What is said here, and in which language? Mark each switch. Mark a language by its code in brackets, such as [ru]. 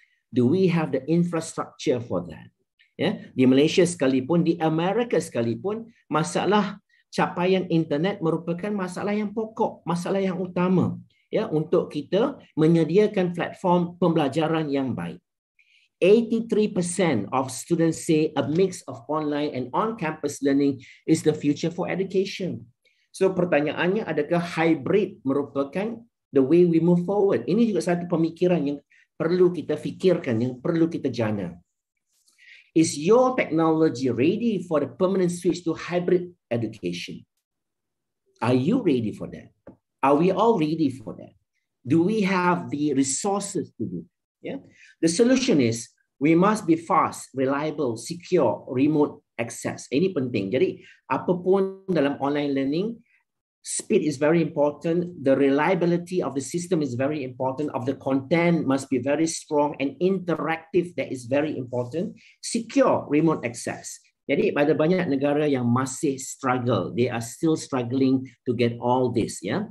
[en] Do we have the infrastructure for that? [ms] Di Malaysia sekalipun, di Amerika sekalipun, masalah capaian internet merupakan masalah yang pokok, masalah yang utama untuk kita menyediakan platform pembelajaran yang baik. [en] 83% of students say a mix of online and on-campus learning is the future for education. So [ms] pertanyaannya, adakah [en] hybrid [ms] merupakan [en] the way we move forward? [ms] Ini juga satu pemikiran yang perlu kita fikirkan, yang perlu kita jana. [en] Is your technology ready for the permanent switch to hybrid education? Are you ready for that? Are we all ready for that? Do we have the resources to do? The solution is, we must be fast, reliable, secure, remote access. [ms] Ini penting. Jadi, apapun dalam [en] online learning, speed is very important. The reliability of the system is very important. Of the content must be very strong and interactive. That is very important. Secure, remote access. [ms] Jadi, ada banyak negara yang masih struggle. [en] They are still struggling to get all this.